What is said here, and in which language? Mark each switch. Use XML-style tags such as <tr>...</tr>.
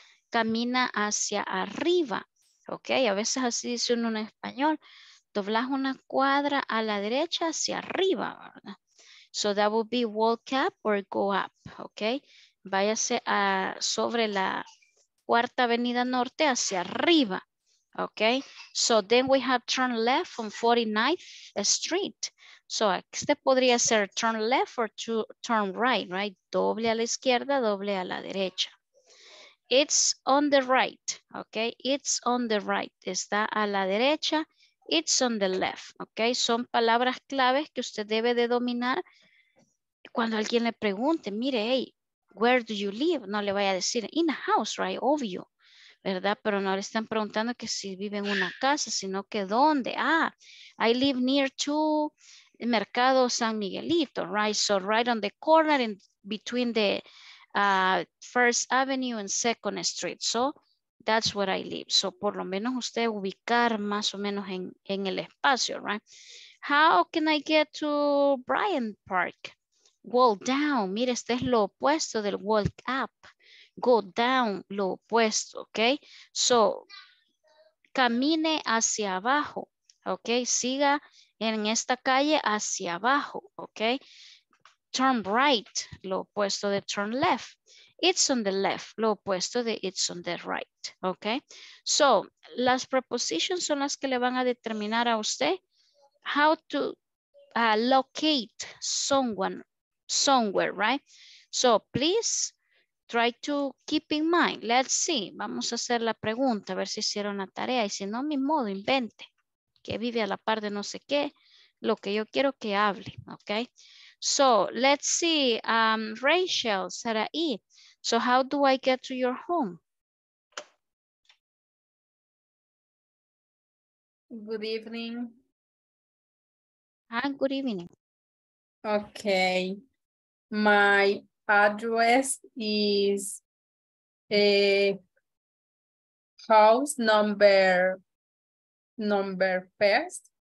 <es>Camina hacia arriba, okay? A veces así dice uno en español. Doblas una cuadra a la derecha hacia arriba, ¿verdad?</es> <en>So that would be walk up or go up, okay?</en> <es>Váyase a sobre la cuarta avenida norte hacia arriba, okay?</es> <en>So then we have turn left on 49th Street. So</en> <es>este podría ser</es> <en>turn left or turn right, right?</en> <es>Doble a la izquierda, doble a la derecha.</es> <en>It's on the right, okay? It's on the right.</en> <es>Está a la derecha.</es> <en>It's on the left, ok?</en> <es>Son palabras claves que usted debe de dominar cuando alguien le pregunte, mire, hey,</es> <en>where do you live?</en> <es>No le vaya a decir,</es> <en>in a house, right?</en> <es>Obvio, ¿verdad? Pero no le están preguntando que si vive en una casa, sino que ¿dónde?</es> <en>Ah, I live near to Mercado San Miguelito, right? So right on the corner in between the First Avenue and Second Street, so that's where I live.</en> <es>So, por lo menos usted ubicar más o menos en el espacio, right?</es> <en>How can I get to Bryant Park? Walk down.</en> <es>Mire, este es lo opuesto del walk up.</es> <en>Go down,</en> <es>lo opuesto, okay? So, camine hacia abajo, okay? Siga en esta calle hacia abajo, okay?</es> <en>Turn right,</en> <es>lo opuesto de</es> <en>turn left. It's on the left, lo opuesto de it's on the right, okay?</en> <es>So, las prepositions son las que le van a determinar a usted</es> <en>how to locate someone somewhere,</en> <es>right?</es> <en>So, please try to keep in mind. Let's see,</en> <es>vamos a hacer la pregunta, a ver si hicieron la tarea, y si no, mi modo, invente.</es> <en>Teacher.</en> <es>que vive a la par de no sé qué, lo que yo quiero que hable, ¿ok?</es> <en>So, let's see, Rachel, Sarai, so how do I get to your home? Good evening. Ah, good evening. Okay, my address is house number first.</en>